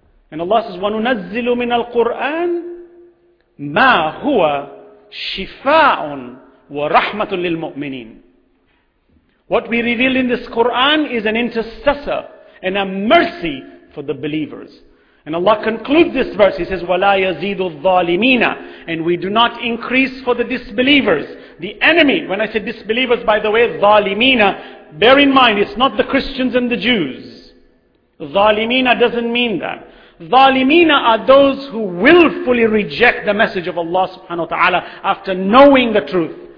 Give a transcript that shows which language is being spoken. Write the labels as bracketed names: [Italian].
[English] And Allah says, [Arabic] وَنُنَزِّلُ مِنَ الْقُرْآنِ مَا هُوَ شِفَاءٌ وَرَحْمَةٌ لِلْمُؤْمِنِينَ. [English] What we reveal in this Quran is an intercessor and a mercy for the believers. And Allah concludes this verse. He says, [Arabic] وَلَا يَزِيدُ الظَّالِمِينَ. [English] And we do not increase for the disbelievers. The enemy, when I say disbelievers, by the way, ظَالِمِينَ, bear in mind, it's not the Christians and the Jews. Zalimina doesn't mean that. Zalimina are those who willfully reject the message of Allah subhanahu wa ta'ala after knowing the truth.